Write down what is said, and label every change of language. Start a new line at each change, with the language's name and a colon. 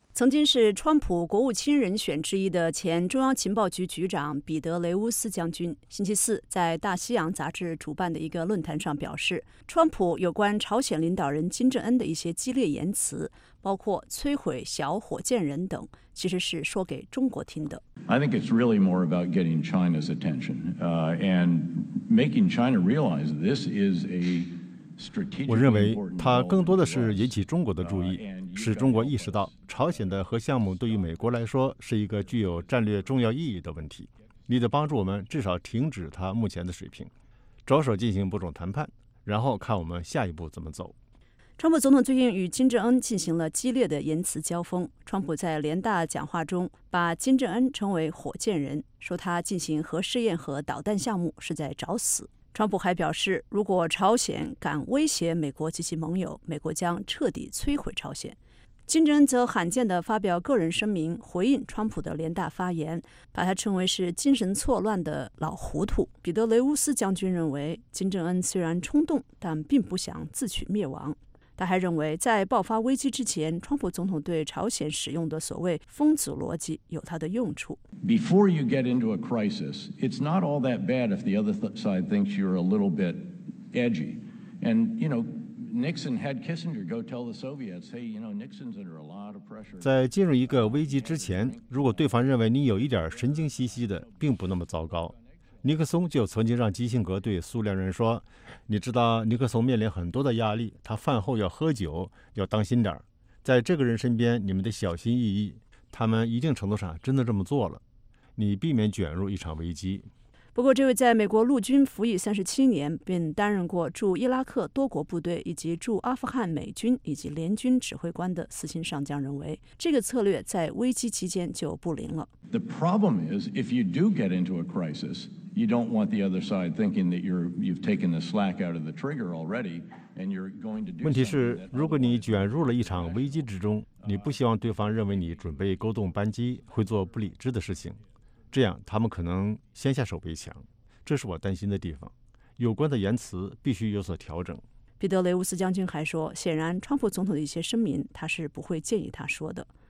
Chinese: 曾经是川普国务卿人选之一的前中央情报局局长彼得雷乌斯将军星期四在大西洋杂志主办的一个论坛上表示，川普有关朝鲜领导人金正恩的一些激烈言辞，包括摧毁小火箭人等，其实是说给中国听的。
English: I think it's really more about getting China's attention, and making China realize this is a strategic.
Chinese: 我认为它更多的是引起中国的注意，使中国意识到朝鲜的核项目对于美国来说是一个具有战略重要意义的问题，你得帮助我们至少停止它目前的水平，着手进行某种谈判，然后看我们下一步怎么走。川普总统最近与金正恩进行了激烈的言辞交锋，川普在联大讲话中把金正恩称为火箭人，说他进行核试验和导弹项目是在找死。川普还表示，如果朝鲜敢威胁美国及其盟友，美国将彻底摧毁朝鲜。金正恩则罕见地发表个人声明回应川普的联大发言，把他称为是精神错乱的老糊涂。彼得雷乌斯将军认为，金正恩虽然冲动，但并不想自取灭亡。他还认为，在爆发危机之前，川普总统对朝鲜使用的所谓疯子逻辑有它的用处。
English: Before you get into a crisis, it's not all that bad if the other side thinks you're a little bit edgy. And, you know, Nixon had Kissinger go tell the Soviets, hey, you know, Nixon's under a lot of pressure.
Chinese: 在进入一个危机之前，如果对方认为你有一点神经兮兮的，并不那么糟糕。尼克松就曾经让基辛格对苏联人说，你知道尼克松面临很多的压力，他饭后要喝酒，要当心点，在这个人身边你们得小心翼翼，他们一定程度上真的这么做了，你避免卷入一场危机。不过这位在美国陆军服役37年，并担任过驻伊拉克多国部队以及驻阿富汗美军以及联军指挥官的四星上将认为，这个策略在危机期间就不灵了。
English: The problem is if you do get into a crisis, you don't want the other side thinking that you've taken the slack out of the trigger already.
Chinese: 问题是，如果你卷入了一场危机之中，你不希望对方认为你准备勾动扳机，会做不理智的事情，这样他们可能先下手为强，这是我担心的地方。有关的言辞必须有所调整。彼得雷乌斯将军还说，显然川普总统的一些声明他是不会建议他说的。